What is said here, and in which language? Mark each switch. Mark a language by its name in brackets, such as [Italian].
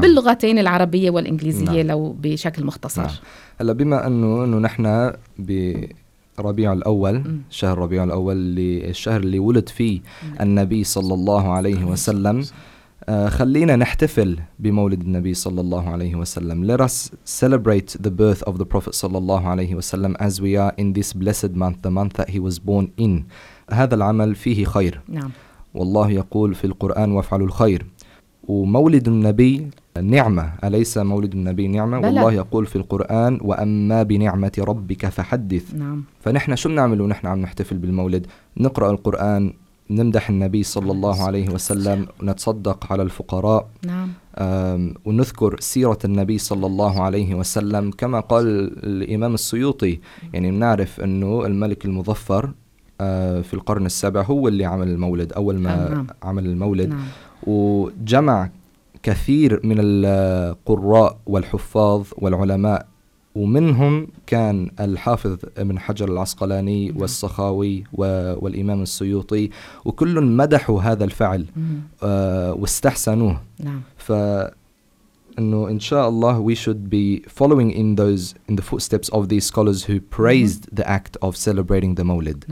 [Arabic] باللغتين العربية والإنجليزية نعم. لو بشكل مختصر نعم. هلأ بما أنه نحن بربيع الأول شهر ربيع الأول الشهر اللي ولد فيه النبي صلى الله عليه وسلم، خلينا نحتفل بمولد النبي صلى الله عليه وسلم. [English] Let us celebrate the birth of the Prophet [Arabic] صلى الله عليه وسلم [English] as we are in this blessed month, the month that he was born in. [Arabic] هذا العمل فيه خير. نعم. والله يقول في القرآن وافعلوا الخير. ومولد النبي نعمة، أليس مولد النبي نعمة؟ بلى. والله يقول في القرآن وأما بنعمة ربك فحدث. نعم. فنحن شو بنعمل ونحن عم نحتفل بالمولد؟ نقرأ القرآن، نمدح النبي صلى الله عليه وسلم، نتصدق على الفقراء، نعم. ونذكر سيرة النبي صلى الله عليه وسلم كما قال الإمام السيوطي. يعني نعرف أنه الملك المظفر في القرن السابع هو اللي عمل المولد، أول ما نعم. عمل المولد نعم. وجمع كثير من القراء والحفاظ والعلماء، ومنهم كان الحافظ ابن حجر العسقلاني نعم. والصخاوي والإمام السيوطي، وكل مدحوا هذا الفعل واستحسنوه نعم. فإنه إن شاء الله [English] we should be following in those in the footsteps of these scholars who praised the act of celebrating the Mawlid.